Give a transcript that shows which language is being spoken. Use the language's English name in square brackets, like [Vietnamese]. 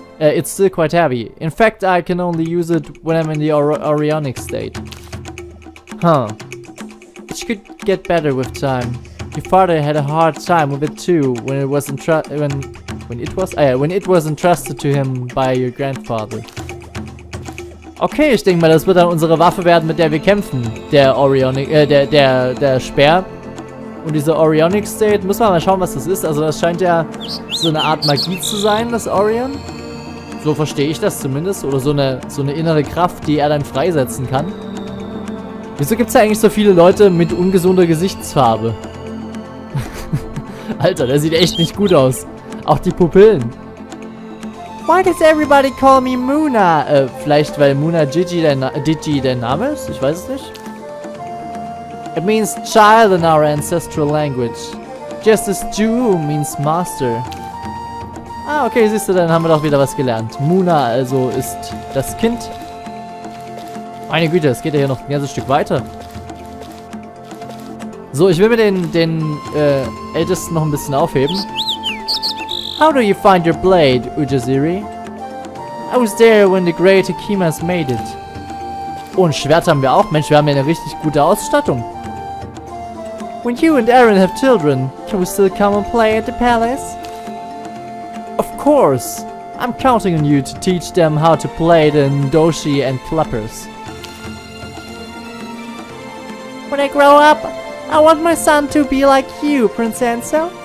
[English] In fact, I can only use it when I'm in the Orionic state. Huh. It could get better with time. Your father had a hard time with it too when it was entrusted to him by your grandfather. [German] Okay, ich denke mal, das wird dann unsere Waffe werden, mit der wir kämpfen. Der Orionic, der Speer. Und dieser Orionic State, müssen wir mal schauen, was das ist. Also das scheint ja so eine Art Magie zu sein, das Orion. So verstehe ich das zumindest. Oder so eine innere Kraft, die er dann freisetzen kann. Wieso gibt es ja eigentlich so viele Leute mit ungesunder Gesichtsfarbe? Alter, der sieht echt nicht gut aus. Auch die Pupillen. [English] Why does everybody call me Muna? [German] Vielleicht weil Muna Gigi dein Name ist? Ich weiß es nicht. [English] It means child in our ancestral language. Just as Ju means master. [German] Ah, okay, siehst du, dann haben wir doch wieder was gelernt. Muna also ist das Kind. Meine Güte, es geht ja hier noch ein ganzes Stück weiter. So, ich will mir den Ältesten noch ein bisschen aufheben. [English] How do you find your blade, Ujaziri? I was there when the great Hakimas made it. [German] Oh, ein Schwert haben wir auch. Mensch, wir haben ja eine richtig gute Ausstattung. [English] When you and Aaron have children, can we still come and play at the palace? Of course. I'm counting on you to teach them how to play the Ndoshi and Clappers. When I grow up, I want my son to be like you, Prince Anso.